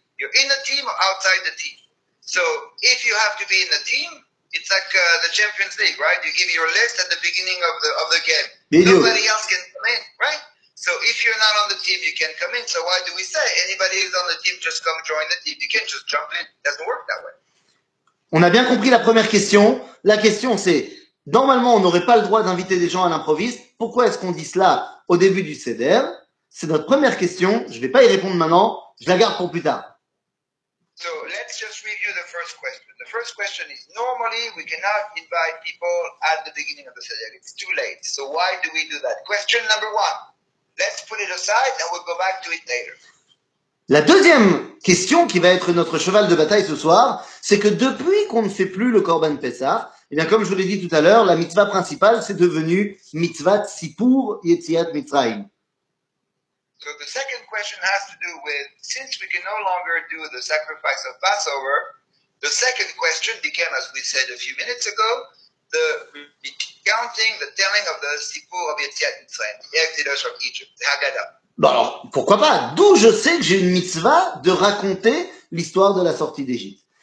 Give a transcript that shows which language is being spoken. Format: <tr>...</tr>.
<en>You're in a team or outside the team. So, if you have to be in a team, it's like the Champions League, right? You give your list at the beginning of the game. Nobody else can come in, right? So if you're not on the team, you can come in. So why do we say anybody who's on the team, just come join the team? You can't just jump in. It doesn't work that way.</en> <fr>On a bien compris la première question. La question, c'est, normalement, on n'aurait pas le droit d'inviter des gens à l'improviste. Pourquoi est-ce qu'on dit cela au début du CDR? C'est notre première question. Je ne vais pas y répondre maintenant. Je la garde pour plus tard.</fr> <en>So let's just review the first question. The first question is, normally, we cannot invite people at the beginning of the CDR. It's too late. So why do we do that? Question number one. Let's put it aside and we'll go back to it later.</en> <fr>La deuxième question qui va être notre cheval de bataille ce soir, c'est que depuis qu'on ne fait plus le Korban Pessah, eh bien, comme je vous l'ai dit tout à l'heure, la mitzvah principale, c'est devenue mitzvah Tzipour Yetziat Mitzrayim.</fr> <en>So the second question has to do with, since we can no longer do the sacrifice of Passover, the second question became, as we said a few minutes ago, the counting, the telling of the Sipur of Yetziat Mitzrayim, the Exodus of Egypt, the Haggadah.</en> <fr>Bon alors, pourquoi pas? D'où je sais que j'ai une mitzvah de raconter l'histoire de la sortie d'Égypte?</fr>